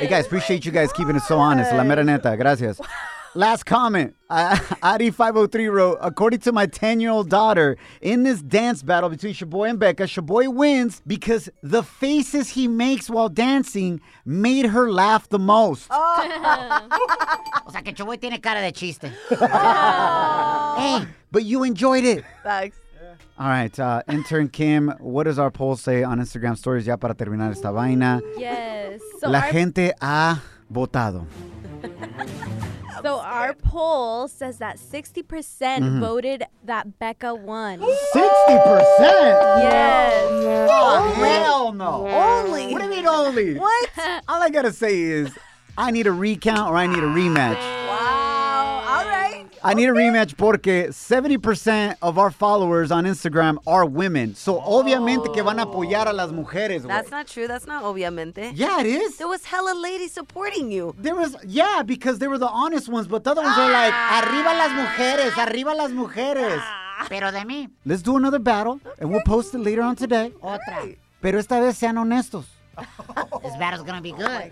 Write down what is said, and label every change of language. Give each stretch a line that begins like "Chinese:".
English: Hey, guys, appreciate you guys keeping it so honest.
Spanish: La mera neta. Gracias.
English: Last comment, Adi 503 wrote, according to my 10-year-old daughter, in this dance battle between Shaboy and Becca, Shaboy wins because the faces he makes while dancing made her laugh the most.
Spanish: O sea, que Shaboy tiene cara de chiste.
English: Hey, but you enjoyed it. Thanks. All right, intern Kim, what does our poll say on Instagram stories?
Spanish: Ya para terminar esta vaina.
English: Yes.
Spanish: So gente ha votado.
English: So our poll says that 60% voted that Becca won. 60%? Yes. Oh, hell no. Only. What do you mean only? What? All I got to say is I need a recount or I need a rematch. Wow. All right. I need a rematch porque 70% of our followers on Instagram are women.
Spanish: So obviamente que van a apoyar a las mujeres.
English: That's not true. That's not obviamente. Yeah, it is. There was hella ladies supporting you. There was, yeah, because they were the honest ones, but the other ones are like,
Spanish: arriba las mujeres, arriba las mujeres. Pero de mí.
English: Let's do another battle, okay. And we'll post it later on today.
Spanish: Otra. Pero esta vez sean honestos.
English: This battle's gonna be good.